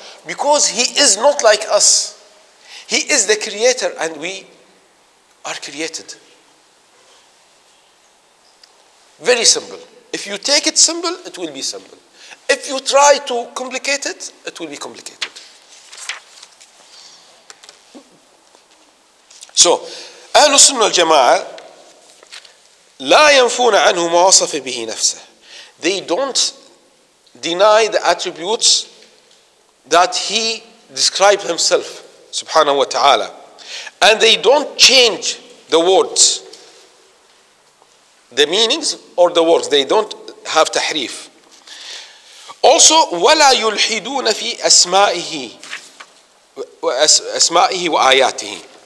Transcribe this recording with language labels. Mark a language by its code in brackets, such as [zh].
[en] Because He is not like us. He is the creator and we are created. Very simple. If you take it simple, it will be simple. If you try to complicate it, it will be complicated. [ar] So, أهل السنة والجماعة لا ينفون عنه ما وصف به نفسه. [en] They don't deny the attributes that he described himself, [ar] سبحانه وتعالى. [en] And they don't change the words, the meanings or the words. They don't have tahrif. [ar] Also, ولا يلحدون في أسمائه وأسمائه وآياته.